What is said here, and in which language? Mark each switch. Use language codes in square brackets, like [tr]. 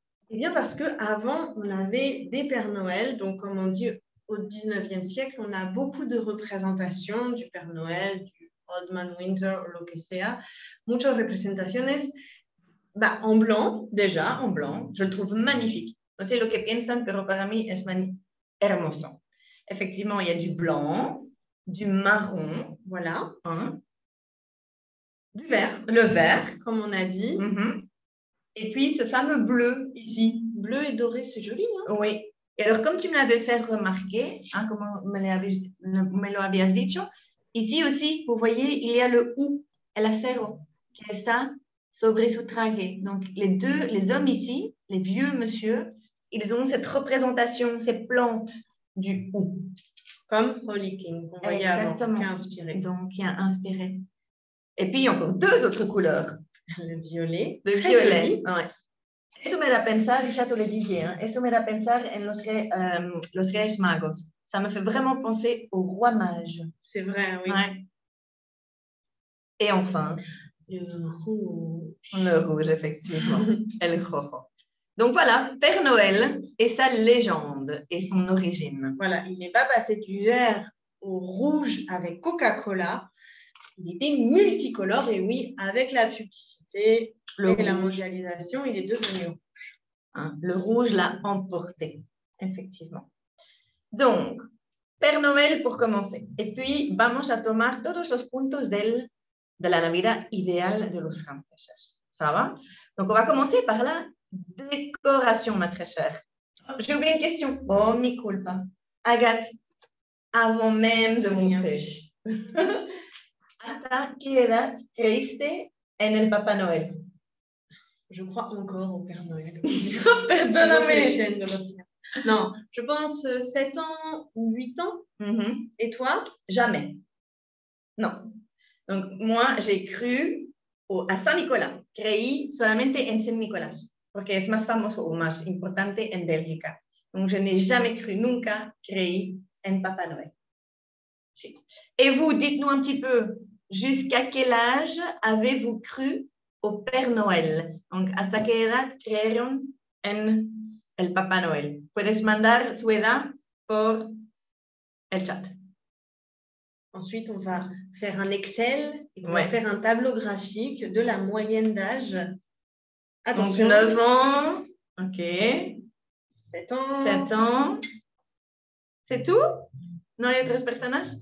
[fr] Eh bien, parce qu'avant, on avait des Pères Noël. Donc, comme on dit, au 19e siècle, on a beaucoup de représentations du Père Noël, du [en] Old Man Winter, [fr] ou [es] lo que sea. Muchas representaciones. [fr] Bah, en blanc, déjà, en blanc, je le trouve magnifique. [es] No sé lo que piensan, pero para mí es hermoso. [fr] Effectivement, il y a du blanc, du marron, voilà, hein, du vert, le vert, comme on a dit, mm-hmm, et puis ce fameux bleu ici. Bleu et doré, c'est joli, hein? Oui. Et alors, comme tu me l'avais fait remarquer, hein, comme [es] me lo habías dicho, [fr] ici aussi, vous voyez, il y a le ou, [es] el acero, [fr] qui est ça. [es] Sobre su traje. [fr] Donc, les deux, les hommes ici, les vieux monsieur, ils ont cette représentation, ces plantes du ou. Comme Holy King, qu'on voyait avant, qui a inspiré. Donc, qui a inspiré. Et puis, il y a encore deux autres couleurs. Le violet. Le violet. Ouais. [es] Eso me da pensar, y ya te lo dije, [fr] hein, [es] eso me da pensar en los reyes magos. [fr] Ça me fait vraiment penser aux rois mages. C'est vrai, oui. Ouais. Et enfin, le rouge. Le rouge, effectivement. [es] El rojo. [fr] Donc voilà, Père Noël et sa légende et son origine. Voilà, il n'est pas passé du vert au rouge avec Coca-Cola. Il était multicolore et oui, avec la publicité et la mondialisation, il est devenu rouge. Hein, le rouge l'a emporté, effectivement. Donc, Père Noël pour commencer. Et puis, [es] vamos a tomar todos los puntos del, de la Navidad ideal de los franceses. [fr] Ça va? Donc, on va commencer par la décoration, ma très chère. J'ai oublié une question. [es] Oh, mi culpa. [fr] Agathe, avant même de monter, [es] ¿hasta qué edad creíste en el Papá Noel? [fr] Je crois encore au Père Noël. [es] Perdóname. [fr] Non, je pense 7 ans ou 8 ans. Mm-hmm. Et toi? Jamais. Non. Donc, moi, j'ai cru à Saint-Nicolas. [es] Creí solamente en Saint-Nicolas. Porque es más famoso o más importante en Bélgica. [fr] Donc, je n'ai jamais cru, [es] nunca creí en Papa Noël. Si. [fr] Et vous, dites-nous un petit peu, jusqu'à quel âge avez-vous cru au Père Noël? [es] Donc, hasta qué edad creyeron en el Papa Noel? Puedes mandar su edad por el chat. [fr] Ensuite, on va faire un Excel et on va faire un tableau graphique de la moyenne d'âge. Attention. Donc, 9 ans. OK. 7 ans. 7 ans. C'est tout? Non, il y a tres personnes?